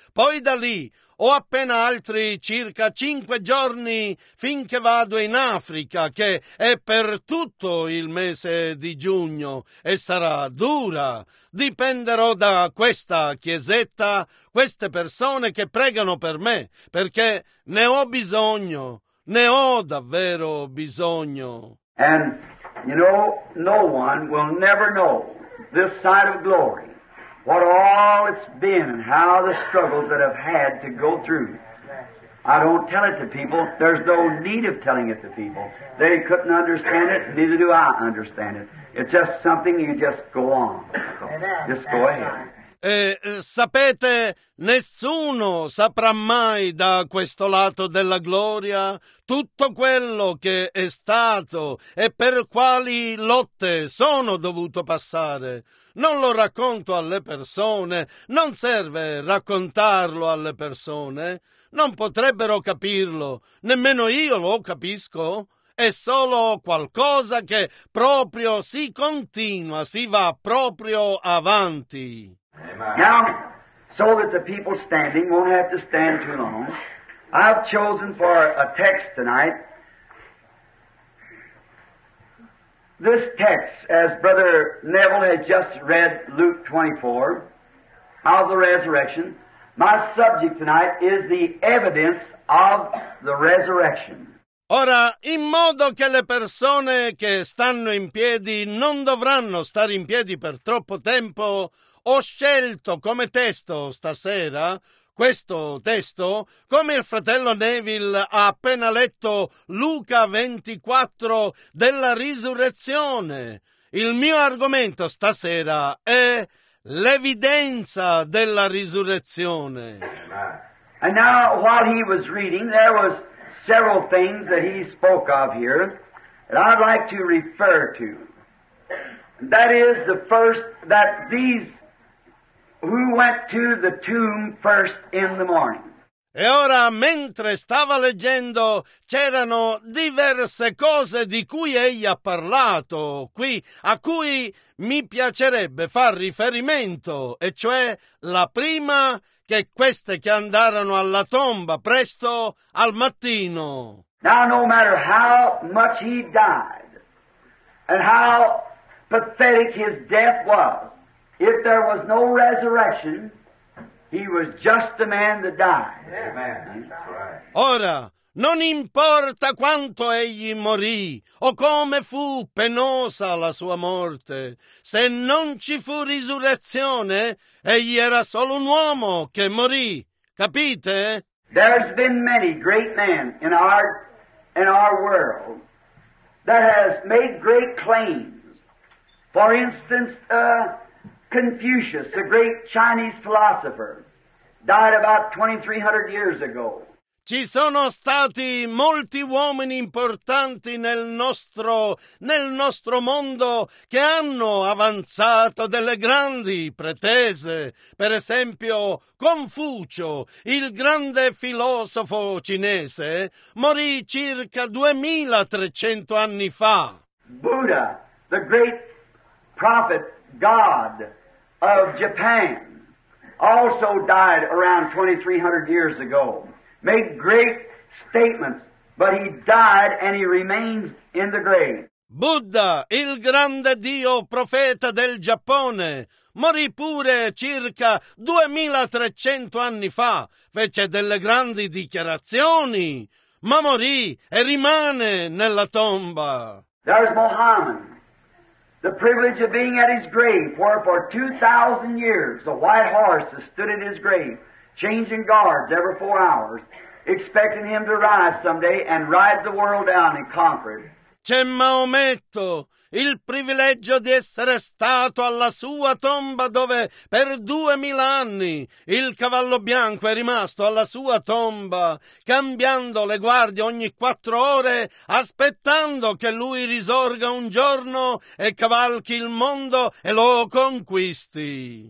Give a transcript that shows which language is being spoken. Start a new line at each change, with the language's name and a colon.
Italian: Poi da lì ho appena altri circa 5 giorni finché vado in Africa, che è per tutto il mese di giugno e sarà dura. Dipenderò da questa chiesetta, queste persone che pregano per me, perché ne ho bisogno, ne ho davvero bisogno.
English: And you know, no one will never know this side of glory, what all it's been and how the struggles that I've had to go through. I don't tell it to people. There's no need of telling it to people. They couldn't understand it, neither do I understand it. It's just something you just go on. Just go ahead.
Italian: Sapete, nessuno saprà mai da questo lato della gloria tutto quello che è stato e per quali lotte sono dovuto passare. Non lo racconto alle persone, non serve raccontarlo alle persone. Non potrebbero capirlo, nemmeno io lo capisco. È solo qualcosa che proprio si continua, si va proprio avanti.
English: Now, so that the people standing won't have to stand too long, I've chosen for a text tonight. This text, as Brother Neville had just read Luke 24, of the resurrection, my subject tonight is the evidence of the resurrection.
Italian: Ora, in modo che le persone che stanno in piedi non dovranno stare in piedi per troppo tempo, ho scelto come testo stasera, questo testo, come il fratello Neville ha appena letto Luca 24 della risurrezione. Il mio argomento stasera è l'evidenza della risurrezione.
English: And now, while he was reading, there was several things that he spoke of here that I'd like to refer to. That is the first, that these who went to the tomb first in the morning.
Italian: E ora, mentre stava leggendo, c'erano diverse cose di cui egli ha parlato qui, a cui mi piacerebbe far riferimento, e cioè la prima, che queste che andarono alla tomba presto al mattino.
English: Now, no matter how much he died and how pathetic his death was, if there was no resurrection, he was just a man to die. Amen. That's right.
Italian: Ora, non importa quanto egli morì o come fu penosa la sua morte, se non ci fu risurrezione, egli era solo un uomo che morì. Capite?
English: There's been many great men in our world that has made great claims. For instance, Confucius, the great Chinese philosopher, died about 2300 years ago.
Italian: Ci sono stati molti uomini importanti nel nostro mondo che hanno avanzato delle grandi pretese. Per esempio, Confucio, il grande filosofo cinese, morì circa 2300 anni fa.
English: Buddha, the great prophet god of Japan, also died around 2300 years ago. Made great statements, but he died and he remains in the grave.
Italian: Buddha, il grande dio profeta del Giappone, morì pure circa 2300 anni fa. Fece delle grandi dichiarazioni, ma morì e rimane nella tomba.
English: There's Mohammed, the privilege of being at his grave, where for 2000 years the white horse has stood in his grave, changing guards every 4 hours, expecting him to rise someday and ride the world down and conquer it.
Italian: C'è Maometto, il privilegio di essere stato alla sua tomba dove per 2000 anni il cavallo bianco è rimasto alla sua tomba, cambiando le guardie ogni 4 ore, aspettando che lui risorga un giorno e cavalchi il mondo e lo conquisti.